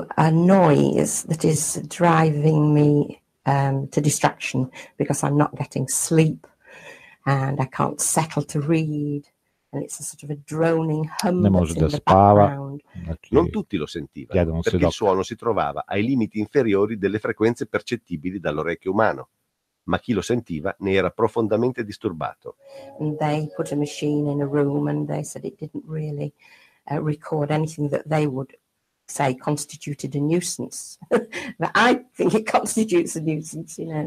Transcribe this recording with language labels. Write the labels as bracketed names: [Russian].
[English] A noise that is driving me to distraction because I'm not getting sleep. And I can't settle to read, and it's a sort of a droning hum in the background. Znači, [Italian] non tutti lo sentiva, perché il suono si trovava ai limiti inferiori delle frequenze percettibili dall'orecchio umano. Ma chi lo sentiva ne era profondamente disturbato. [English] And they put a machine in a room, and they said it didn't really record anything that they would say constituted a nuisance. But I think it constitutes a nuisance, you know.